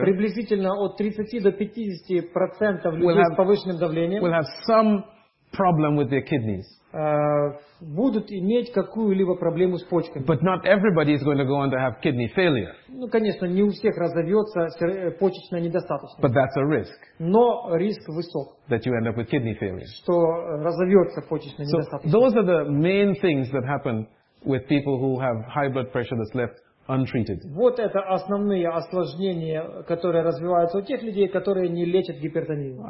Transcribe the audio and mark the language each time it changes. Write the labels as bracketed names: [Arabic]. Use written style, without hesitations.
[Russian] Приблизительно от 30 до 50% людей с повышенным давлением. [English] Will have some problem with their kidneys. [Russian] Будут иметь какую-либо проблему с почками. [English] But not everybody is going to go on to have kidney failure. [Russian] Ну, конечно, не у всех разовьется почечная недостаточность. [English] But that's a risk. [Russian] Но риск высок. [English] That you end up with kidney failure. [Russian] Что разовьется почечная недостаточность. [English] So those are the main things that happen with people who have high blood pressure that's left untreated. [Russian] Вот это основные осложнения, которые развиваются у тех людей, которые не лечат гипертонию.